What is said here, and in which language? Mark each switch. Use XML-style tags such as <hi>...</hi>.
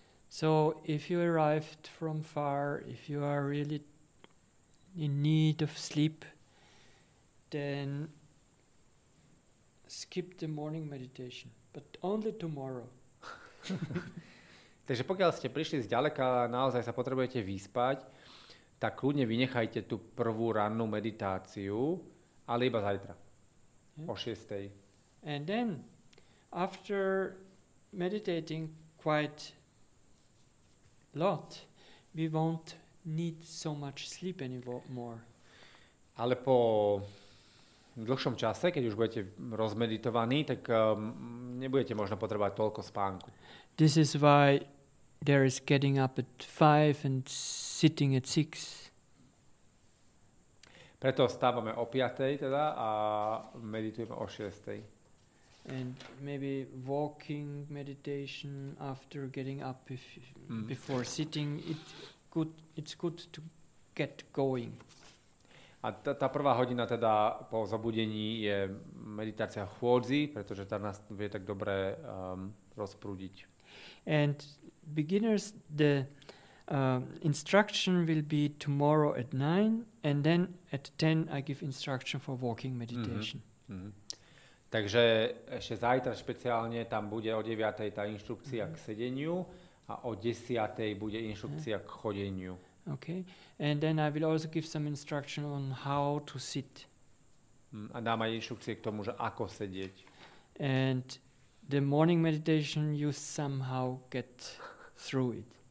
<en>So, if you arrived from far, if you are really in need of sleep, then skip the morning meditation. But only tomorrow.</en> <sk>Takže pokiaľ ste prišli zďaleka a naozaj sa potrebujete vyspať, tak kľudne vynechajte tú prvú rannú meditáciu, ale iba zajtra, yeah, o 6.</sk> <en>And then, after meditating quite lot, we won't need so much sleep anymore.</en> <sk>Ale po dlhšom čase, keď už budete rozmeditovaní, tak nebudete možno potrebovať toľko spánku.</sk> <en>This is why there is getting up at 5 and sitting at 6.</en> <sk>Preto stávame o 5. teda a meditujeme o 6.</sk> <en>And maybe walking meditation after getting up before sitting, it's good to get going.</en> <sk>A tá prvá hodina teda po zobudení je meditácia chôdzi, pretože tá nás vie tak dobre rozprúdiť.</sk> <en>And beginners, the instruction will be tomorrow at 9 and then at 10 I give instruction for walking meditation. Mm-hmm.</en> <sk>Takže ešte zajtra špeciálne tam bude o 9. tá inštrukcia k sedeniu a o 10. bude inštrukcia k chodeniu.</sk> <en>Okay. And then I will also give some instruction on how to sit.</en> <sk>A dám aj inštrukcie k tomu, že ako sedieť.</sk> <en>And the morning meditation, you somehow get through it.</en>